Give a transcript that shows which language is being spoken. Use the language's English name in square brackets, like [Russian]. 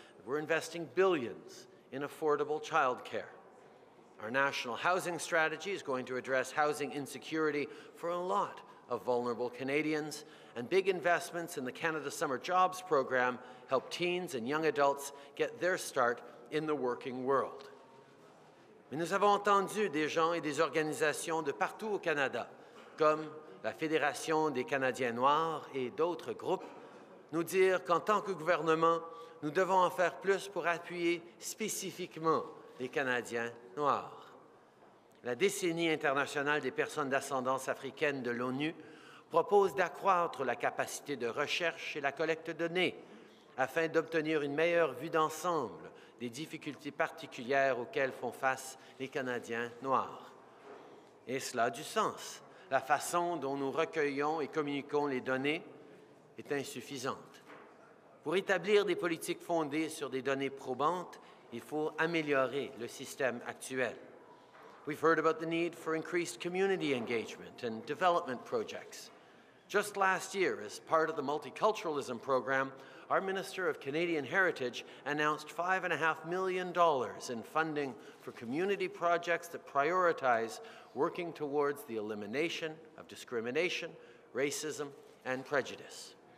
[English] We're investing billions in affordable childcare. Our national housing strategy is going to address housing insecurity for a lot of vulnerable Canadians, and big investments in the Canada Summer Jobs Program help teens and young adults get their start in the working world. [French] Mais nous avons entendu des gens et des organisations de partout au Canada, comme la Fédération des Canadiens Noirs et d'autres groupes, nous dire qu'en tant que gouvernement, nous devons en faire plus pour appuyer spécifiquement les Canadiens Noirs. La décennie internationale des personnes d'ascendance africaine de l'ONU propose d'accroître la capacité de recherche et la collecte de données afin d'obtenir une meilleure vue d'ensemble des difficultés particulières auxquelles font face les Canadiens noirs. Et cela a du sens. La façon dont nous recueillons et communiquons les données est insuffisante. Pour établir des politiques fondées sur des données probantes, il faut améliorer le système actuel. [English] We've heard about the need for increased community engagement and development projects. Just last year, as part of the multiculturalism program, our Minister of Canadian Heritage announced $5.5 million in funding for community projects that prioritize working towards the elimination of discrimination, racism, and prejudice.